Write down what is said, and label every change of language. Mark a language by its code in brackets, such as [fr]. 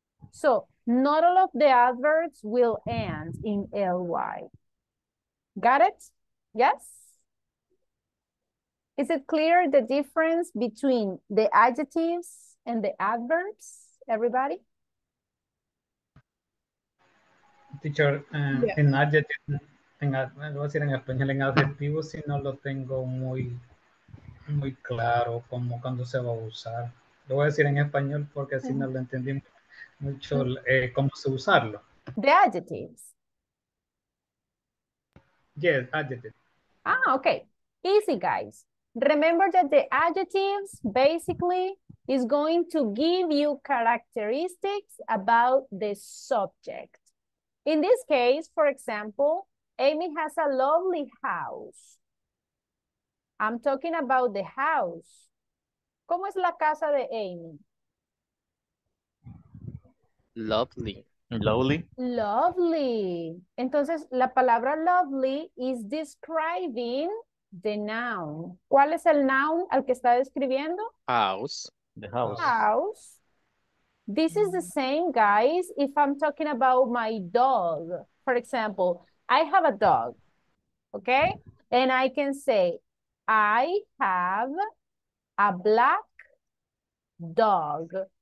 [en] So not all of the adverbs will end in ly. Got it? Yes? Is it clear the difference between the adjectives and the adverbs, everybody? [es] Teacher, en adjetivo, voy a decir en español, en adjetivo, si no lo tengo muy, muy claro, como cuando se va a usar. Lo voy a decir en español porque así no lo entendí mucho, cómo se usarlo. [en] The adjectives. Yes, adjective. Ah, okay. Easy, guys. Remember that the adjectives basically is going to give you characteristics about the subject. In this case, for example, Amy has a lovely house. I'm talking about the house. [es] ¿Cómo es la casa de Amy? [en] Lovely. Lovely. Lovely. [es] Entonces, la palabra [en] lovely is describing the noun. [es] ¿Cuál es el noun al que está describiendo? [en] House. The house. House. This is the same, guys, if I'm talking about my dog. For example, I have a dog, okay? And I can say, I have a black dog.